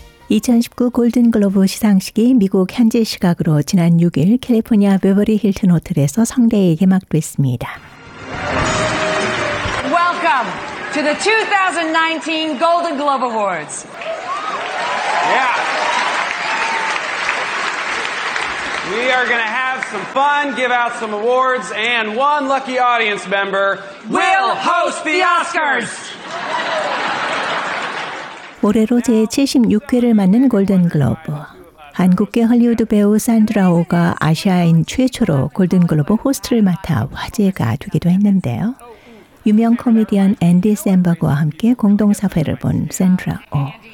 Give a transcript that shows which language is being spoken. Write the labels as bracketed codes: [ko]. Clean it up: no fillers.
[ko] 2019 골든글로브 시상식이 미국 현지 시각으로 지난 6일 캘리포니아 베버리 힐튼 호텔에서 성대에 개막됐습니다. [en] Welcome to the 2019 Golden Globe Awards. Yeah. We are going to have some fun, give out some awards, and one lucky audience member will host the Oscars. [ko] 올해로 제76회를 맞는 골든글로브. 한국계 할리우드 배우 산드라 오가 아시아인 최초로 골든글로브 호스트를 맡아 화제가 되기도 했는데요. 유명 코미디언 앤디 샌버그와 함께 공동사회를 본 산드라 오.